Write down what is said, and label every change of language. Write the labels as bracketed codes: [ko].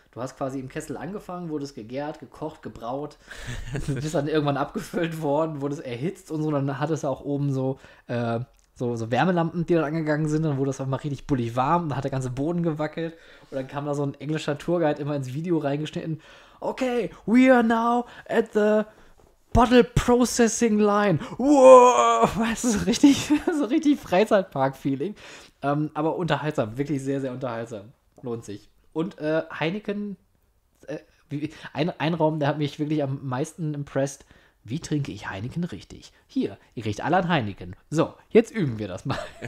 [de] Du hast quasi im Kessel angefangen, wurde es gegärt, gekocht, gebraut, bist dann irgendwann abgefüllt worden, wurde es erhitzt und so. Dann hat es auch oben so Wärmelampen, die dann angegangen sind. Dann wurde es auch mal richtig bullig warm. Dann hat der ganze Boden gewackelt. Und dann kam da so ein englischer Tourguide immer ins Video reingeschnitten. [en] Okay, we are now at the Bottle Processing Line. [de] Wow, so richtig Freizeitpark-Feeling. Aber unterhaltsam, wirklich sehr, sehr unterhaltsam. Lohnt sich. Und Heineken, ein Raum, der hat mich wirklich am meisten impressed. Wie trinke ich Heineken richtig? Hier, ihr riecht alle an Heineken. So, jetzt üben wir das mal.